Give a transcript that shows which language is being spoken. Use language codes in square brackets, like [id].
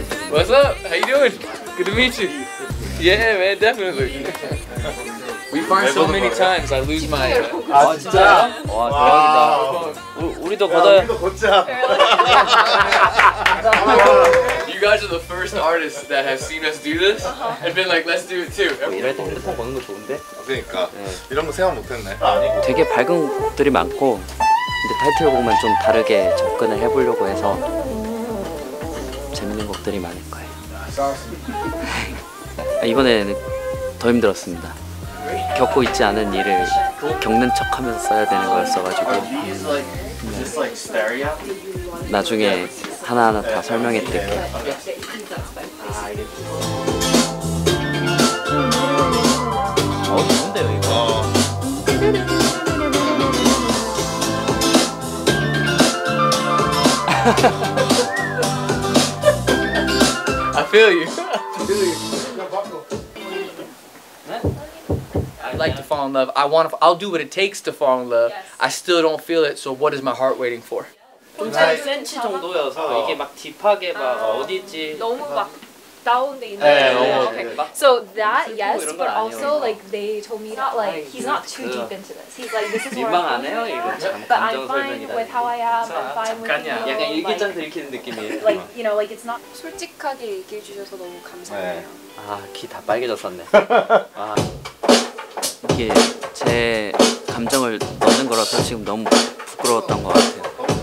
[en] What's up? How you doing? Good to meet you. Yeah, man, definitely. We fight so many times. I lose my. [ko] 아 진짜? 와 대박이다. 우리도 걷어야. 우리도 걷자. [en] You guys are the first artists that have seen us do this and been like, let's do it too. [ko] 이럴 때 핸드폰 걷는 거 좋은데? 그러니까. 네. 이런 거 생각 못했네. 되게 밝은 곡들이 많고, 근데 타이틀 곡만 좀 다르게 접근을 해보려고 해서 재밌는 곡들이 많을 거예요. 싸웠습니다. 이번에는 더 힘들었습니다. 겪고 있지 않은 일을 겪는 척하면서 써야 되는 거였어가지고 나중에 하나하나 다 설명해 드릴게요. 좋은데요 이거. [en] 아, I feel you. I'd like to fall in love. I want to. I'll do what it takes to fall in love. I still don't feel it. So what is my heart waiting for? [ko] 좀 센치 정도여서 이게 막 딥하게 막 어디지 너무 막 다운돼 있는 거예요. [en] So that yes, but also like they told me that like he's not too deep into this. He's like this is where I'm coming from. But I'm fine with how I am. I'm fine with you. [ko] 약간 일기장 들키는 느낌이에요. [en] Like you know, like it's not [ko] 솔직하게 얘기해 주셔서 너무 감사해요. 아 귀 다 빨개졌었네. 이게 제 감정을 넣는 거라서 지금 너무 부끄러웠던 것 같아요.